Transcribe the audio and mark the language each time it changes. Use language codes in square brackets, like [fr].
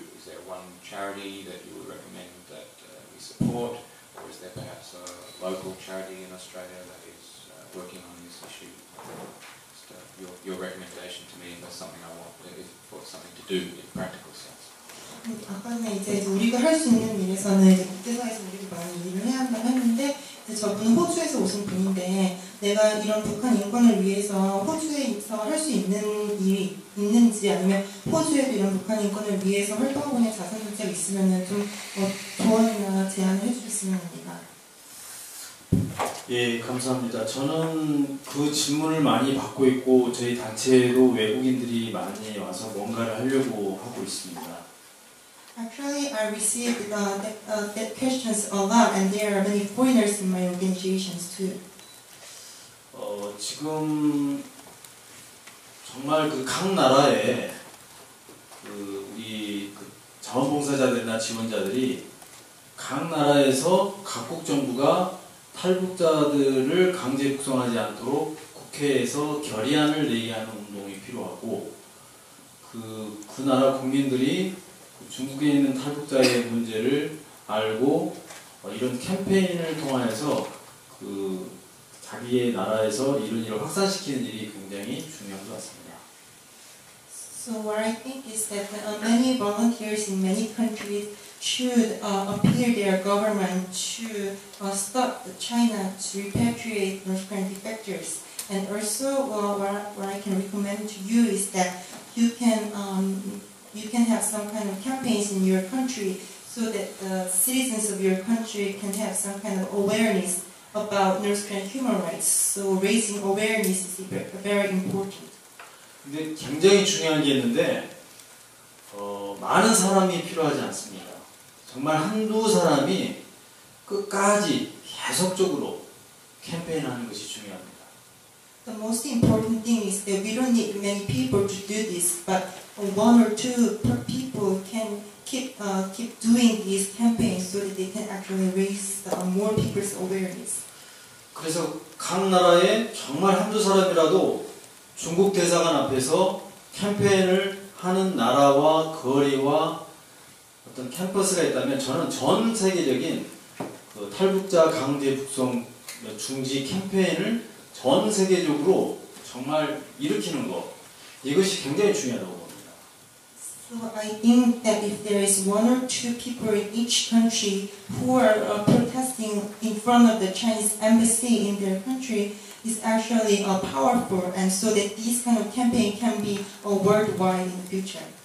[en] Is there one charity that you would recommend that we support? Or is there perhaps a local charity in Australia that is working on this issue? Your recommendation to me, if that's something I want, for something to do in practical sense. [ko] 아까는 이제 우리가 할 수 있는 일에서는 이제 국제사회에서 우리가 많이 일을 해야 한다고 했는데 저분은 호주에서 오신 분인데 내가 이런 북한 인권을 위해서 호주에서 할 수 있는 일이 있는지 아니면 호주에도 이런 북한 인권을 위해서 활동하고 있는 자선단체가 있으면 좀 조언이나 제안을 해주셨으면 합니다. 예, 감사합니다. 저는 그 질문을 많이 받고 있고 저희 단체에도 외국인들이 많이 와서 뭔가를 하려고 하고 있습니다. [en] Actually, I received that questions a lot, and there are many foreigners in my organizations too. [ko] 지금 정말 그 각 나라에 그 우리 그 자원봉사자들이나 지원자들이 각 나라에서 각국 정부가 탈북자들을 강제 북송하지 않도록 국회에서 결의안을 내게 하는 운동이 필요하고 그 나라 국민들이 중국에 있는 탈북자의 문제를 알고 이런 캠페인을 통해서 그 자기의 나라에서 이런 일을 확산시키는 일이 굉장히 중요한 것 같습니다. [en] So what I think is that many volunteers in many countries should appeal their government to stop China to repatriate North Korean defectors. And also what I can recommend to you is that you can have some kind of campaigns in your country so that the citizens of your country can have some kind of awareness about North Korean human rights. So raising awareness is very important. [ko] 근데 굉장히 중요한 게 있는데 많은 사람이 필요하지 않습니다. 정말 한두 사람이 끝까지 계속적으로 캠페인하는 것이 중요합니다. [en] The most important thing is that we don't need many people to do this, but one or two per people can keep doing these campaigns so that they can actually raise more people's awareness. [ko] 그래서 각 나라에 정말 한두 사람이라도 중국 대사관 앞에서 캠페인을 하는 나라와 거리와 어떤 캠퍼스가 있다면 저는 전 세계적인 그 탈북자 강제 북송 중지 캠페인을 전 세계적으로 정말 일으키는 것, 이것이 굉장히 중요하다고 봅니다. [en] So I think that if there is one or two people in each country who are protesting in front of the Chinese embassy in their country, is actually powerful, and so that this kind of campaign can be worldwide in the future.